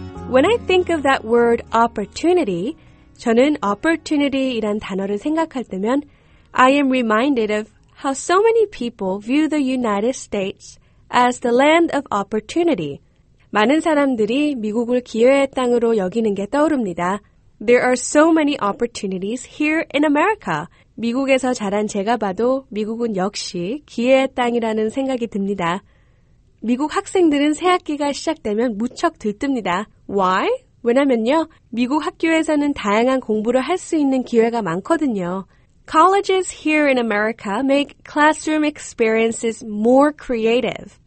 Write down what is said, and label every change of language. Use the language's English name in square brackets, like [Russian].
[English] When I think of that word opportunity, [Korean] 저는 opportunity이란 단어를 생각할 때면 [English] I am reminded of how so many people view the United States as the land of opportunity. [Korean] 많은 사람들이 미국을 기회의 땅으로 여기는 게 떠오릅니다. [English] There are so many opportunities here in America. [Korean] 미국에서 자란 제가 봐도 미국은 역시 기회의 땅이라는 생각이 듭니다. 미국 학생들은 새학기가 시작되면 무척 들뜹니다. [English] Why? [Korean] 왜냐면요, 미국 학교에서는 다양한 공부를 할 수 있는 기회가 많거든요. [English] Colleges here in America make classroom experiences more creative.